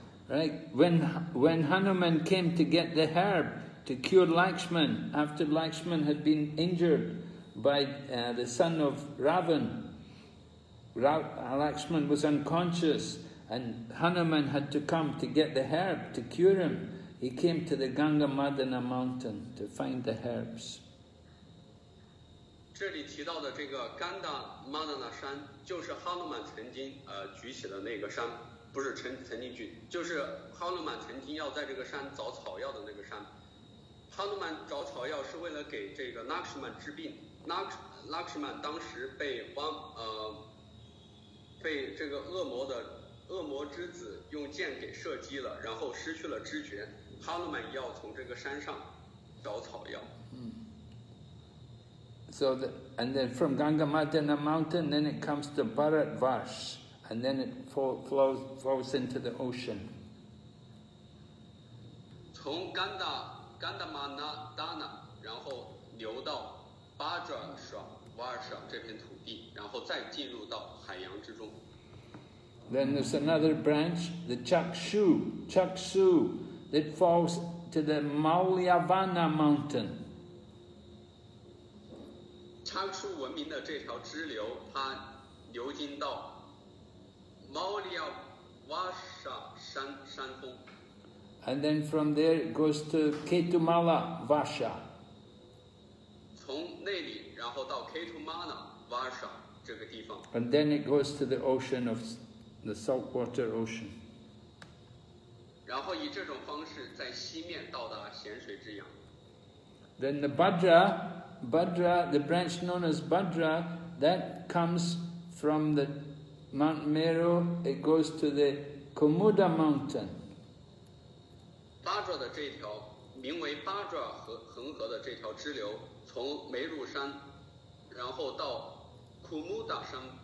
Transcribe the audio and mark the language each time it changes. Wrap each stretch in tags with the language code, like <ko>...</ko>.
<en>Right, when Hanuman came to get the herb to cure Lakshman after Lakshman had been injured by the son of Ravan, Lakshman was unconscious and Hanuman had to come to get the herb to cure him. He came to the Ganga Madana mountain to find the herbs.</en> <zh>这里提到的这个甘达玛达那山，就是哈努曼曾经举起的那个山，不是曾经举，就是哈努曼曾经要在这个山找草药的那个山。哈努曼找草药是为了给这个拉克什曼治病。拉克什曼当时被这个恶魔之子用箭给射击了，然后失去了知觉。哈努曼要从这个山上找草药。</zh> <en>So the, and then from Ganga Madana mountain, then it comes to Bharat Varsh, and then it flows into the ocean.</en> <zh>从 Ganga Madana 然后流到 Bharat Varsh 这片土地，然后再进入到海洋之中。</zh> <en>Then there's another branch, the Chakshu, that falls to the Malyavana mountain.</en> <zh>Chakshu 文明的这条支流，它流经到 Malyavasa 山峰。</zh> <en>And then from there it goes to Ketumala Vasa.</en> <zh>从那里，然后到 Ketumala Vasa 这个地方。</zh> <en>And then it goes to the ocean of. The saltwater ocean.</en> <zh>然后以这种方式在西面到达咸水之洋。</zh> <en>Then the Bhadra, the branch known as Bhadra, that comes from the Mount Meru. It goes to the Kumuda Mountain.</en> <zh>Bhadra 的这条名为 Bhadra 恒河的这条支流，从梅鲁山，然后到 Kumuda 山。</zh>